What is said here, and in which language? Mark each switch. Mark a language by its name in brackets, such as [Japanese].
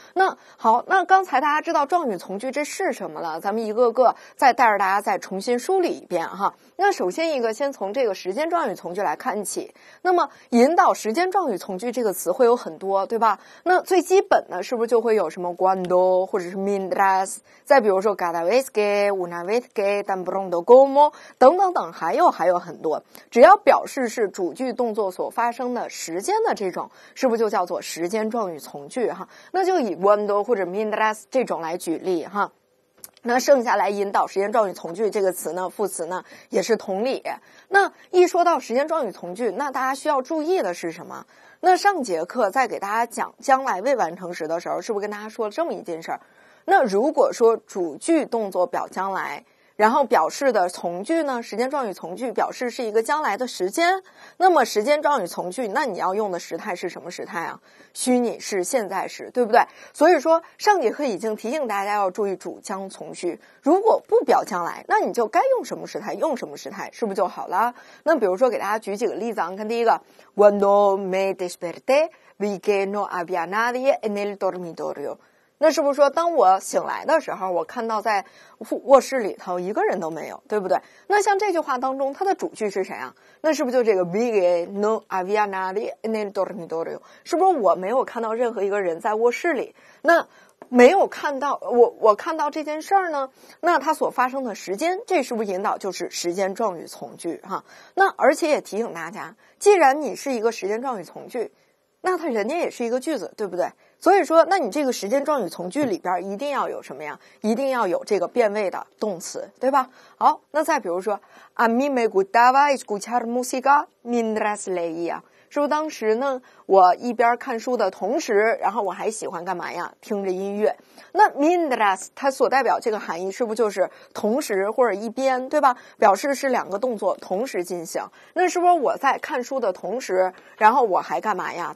[Chinese] 那好，那刚才大家知道状语从句这是什么了，咱们一个个再带着大家再重新梳理一遍哈。那首先一个，先从这个时间状语从句来看起。那么引导时间状语从句这个词会有很多，对吧？那最基本的是不是就会有什么 cuando 或者是 mientras？再比如说 [Spanish] cada vez que una vez que tan pronto como [Chinese] 等等等，还有很多。只要表示是主句动作所发生的时间的这种，是不是就叫做时间状语从句哈？那就以 cuando 或者 mientras 这种来举例哈。那剩下来引导时间状语从句这个词呢，副词呢也是同理。那一说到时间状语从句，那大家需要注意的是什么？那上节课在给大家讲将来未完成时的时候，是不是跟大家说了这么一件事儿？那如果说主句动作表将来，然后表示的从句呢，时间状语从句表示是一个将来的时间，那么时间状语从句，那你要用的时态是什么时态啊？虚拟式、现在时，对不对？所以说上节课已经提醒大家要注意主将从句，如果不表将来，那你就该用什么时态，用什么时态，是不是就好了？那比如说给大家举几个例子啊，看第一个， [Spanish] Cuando me desperté, vi que no había nadie en el dormitorio。 [Chinese] 那是不是说，当我醒来的时候，我看到在卧室里头一个人都没有，对不对？那像这句话当中，它的主句是谁啊？那是不是就这个 [Spanish] vi que no había nadie en el dormitorio？ [Chinese] 是不是我没有看到任何一个人在卧室里？那没有看到我看到这件事儿呢？那它所发生的时间，这是不是引导就是时间状语从句哈？那而且也提醒大家，既然你是一个时间状语从句，那它人家也是一个句子，对不对？所以说，那你这个时间状语从句里边一定要有什么呀？一定要有这个变位的动词，对吧？好，那再比如说， [Spanish] A mí me gustaba escuchar música mientras leía。 [Chinese] 是不是当时呢，我一边看书的同时，然后我还喜欢干嘛呀？听着音乐。那 mientras 它所代表这个含义是不是就是同时或者一边，对吧？表示是两个动作同时进行。那是不是我在看书的同时，然后我还干嘛呀？